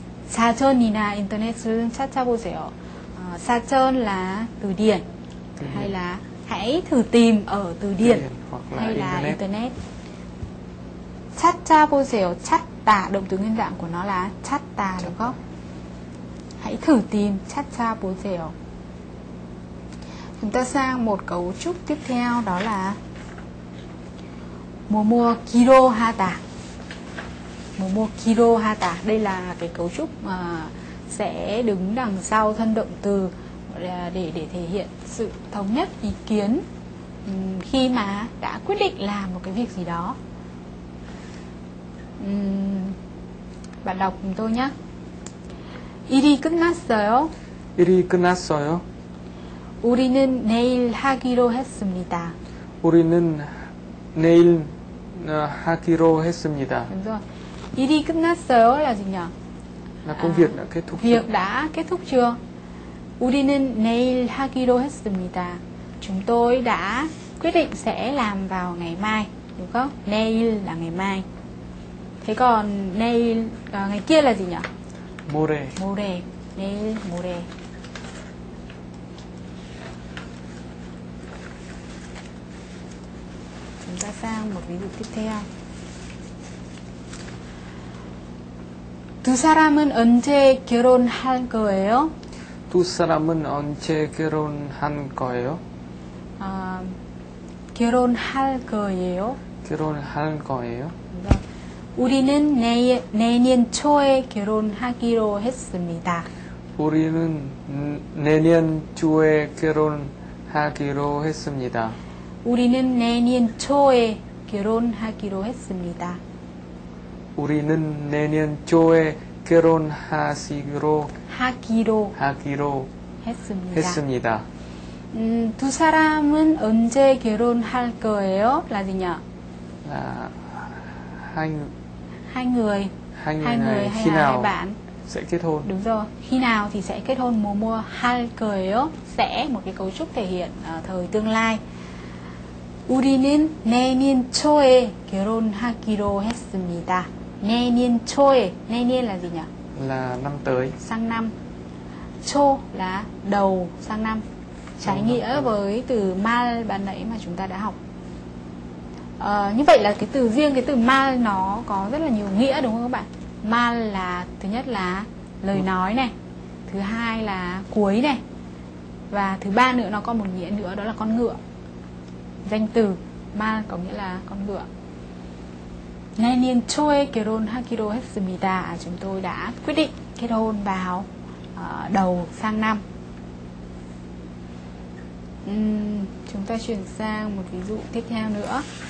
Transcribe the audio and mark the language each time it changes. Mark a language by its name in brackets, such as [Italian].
[Korean] 사전이나 인터넷을 찾아보세요. [Vietnamese] 사전 là từ điển. Hay là hãy thử tìm ở từ điển. Hay là internet. [Korean] 찾아보세요. 찾다. [Vietnamese] Động từ nguyên dạng của nó là 찾다. Đúng không? Hãy thử tìm. 찾아보세요. Chúng ta sang một cấu trúc tiếp theo đó là 뭐뭐 기로하다. [Korean] 뭐뭐 기로하다. [Vietnamese] Đây là cái cấu trúc mà sẽ đứng đằng sau thân động từ để thể hiện sự thống nhất ý kiến khi mà đã quyết định làm một cái việc gì đó. Bạn đọc cùng tôi nhé. [Korean] 일이 끝났어요. 일이 끝났어요. 우리는 내일 하기로 했습니다. 우리는 내일 하기로 했습니다. 일이 끝났어요 [Vietnamese] là gì nhỉ? Là công việc đã kết thúc chưa? Việc đã kết thúc chưa? [Korean] 우리는 내일 하기로 했습니다. [Vietnamese] Chúng tôi đã quyết định sẽ làm vào ngày mai, đúng không? 내일 là ngày mai. Thế còn 내일 ngày kia là gì nhỉ? [Korean] 모레. 모레. 내일 모레. [Vietnamese] Chúng ta sang một ví dụ tiếp theo. [Korean] 두 사람은 언제 결혼할 거예요? 두 사람은 언제 결혼할 거예요? 결혼할 거예요? 결혼할 거예요? 우리는 내년 초에 결혼하기로 했습니다. 우리는 내년 초에 결혼하기로 했습니다. 우리는 내년 초에 결혼하기로 했습니다. 우리는 내년 초에 결혼하시기로 하기로 했습니다. 두 사람은 언제 결혼할 거예요? [Vietnamese] 라 gì nhỉ? Là hai người khi hay là nào hai bạn sẽ kết hôn? Đúng rồi, khi nào thì sẽ kết hôn? Mùa mùa hal geoyeo sẽ một cái cấu trúc thể hiện thời tương lai. [Korean] 우리는 내년 초에 결혼하기로 했습니다. 내년 초에, 내년 [Vietnamese] là gì nhỉ? Là năm tới. Sang năm. 초 là đầu sang năm. Trái năm nghĩa năm với từ mal ban nãy mà chúng ta đã học. Như vậy là cái từ riêng, cái từ mal nó có rất là nhiều nghĩa đúng không các bạn? Mal là thứ nhất là lời nói này, thứ hai là cuối này, và thứ ba nữa nó có một nghĩa nữa, đó là con ngựa. Danh từ mal có nghĩa là con ngựa. [Korean] 내년 초에 결혼하기로 했습니다. [Vietnamese] Chúng tôi đã quyết định kết hôn vào đầu sang năm. Chúng ta chuyển sang một ví dụ tiếp theo nữa.